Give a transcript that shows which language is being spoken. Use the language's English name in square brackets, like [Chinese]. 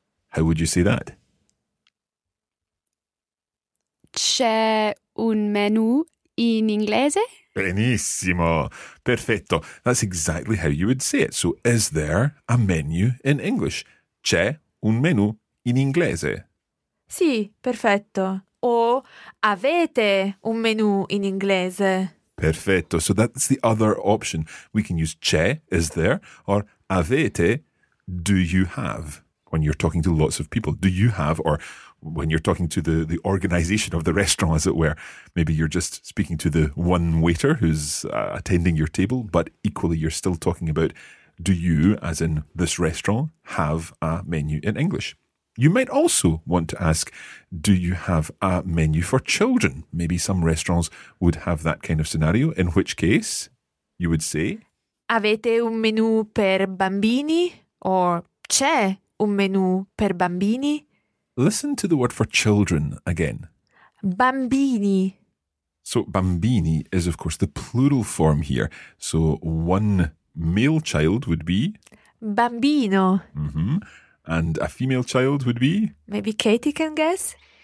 [English] How would you say that? [Italian] C'è un menu in inglese? Benissimo. Perfetto. [English] That's exactly how you would say it. So, is there a menu in English? [Italian] C'è un menu in inglese? Sì, perfetto. O avete un menu in inglese? Perfetto. [English] So, that's the other option. We can use c'è, is there, or avete, do you have? When you're talking to lots of people, do you have, or when you're talking to the organization of the restaurant, as it were, maybe you're just speaking to the one waiter who's attending your table, but equally you're still talking about, do you, as in this restaurant, have a menu in English? You might also want to ask, do you have a menu for children? Maybe some restaurants would have that kind of scenario, in which case you would say, [Italian] avete un menu per bambini? Or c'è un menu per bambini? [English] Listen to the word for children again. [Italian] Bambini. [English] So bambini is, of course, the plural form here. So one male child would be? [Italian] Bambino. Mm-hmm. [English] And a female child would be? Maybe Katie can guess.